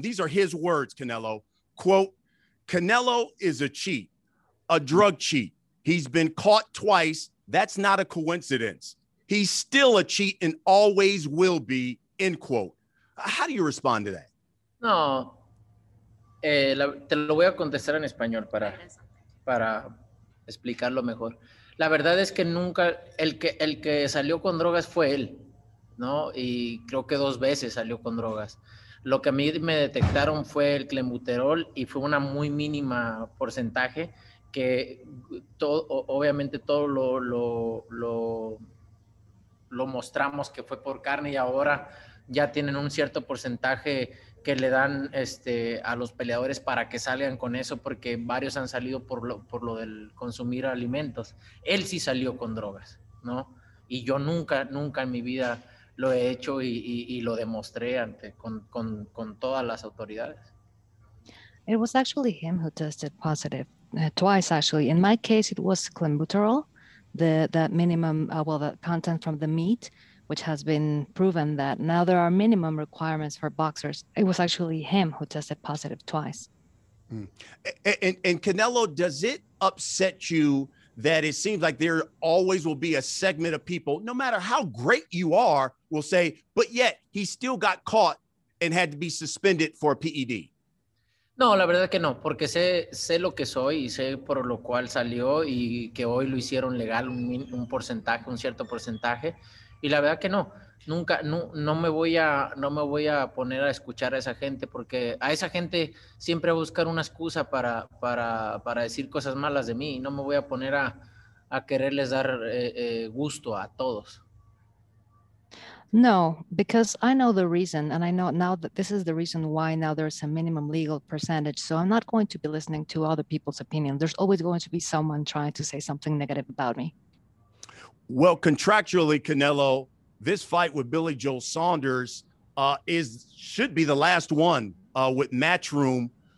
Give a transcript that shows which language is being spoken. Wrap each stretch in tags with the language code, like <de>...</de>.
<en>These are his words, Canelo. Quote, Canelo is a cheat, a drug cheat. He's been caught twice. That's not a coincidence. He's still a cheat and always will be, end quote. How do you respond to that? No.</en> <es>Te lo voy a contestar en español para explicarlo mejor. La verdad es que nunca, el que salió con drogas fue él, ¿no? Y creo que dos veces salió con drogas. Lo que a mí me detectaron fue el clenbuterol y fue una muy mínima porcentaje que todo, obviamente todo lo mostramos que fue por carne y ahora ya tienen un cierto porcentaje que le dan a los peleadores para que salgan con eso porque varios han salido por lo del consumir alimentos. Él sí salió con drogas, ¿no? Y yo nunca en mi vida... lo he hecho y lo demostré ante con todas las autoridades.</es> <en>It was actually him who tested positive twice, actually. In my case, it was clenbuterol, the content from the meat, which has been proven that now there are minimum requirements for boxers. It was actually him who tested positive twice. Mm. And Canelo, does it upset you that it seems like there always will be a segment of people, no matter how great you are, will say, but yet he still got caught and had to be suspended for a PED.</en> <es>No, la verdad que no, porque sé lo que soy y sé por lo cual salió y que hoy lo hicieron legal un porcentaje, un cierto porcentaje, y la verdad que no. Nunca, no me voy a poner a escuchar a esa gente, porque a esa gente siempre va a buscar una excusa para decir cosas malas de mí, y no me voy a poner a quererles dar gusto a todos.</es> <en>No, because I know the reason, and I know now that this is the reason why now there's a minimum legal percentage. So I'm not going to be listening to other people's opinion. There's always going to be someone trying to say something negative about me. Well, contractually, Canelo, this fight with Billy Joe Saunders should be the last one with Matchroom.</en>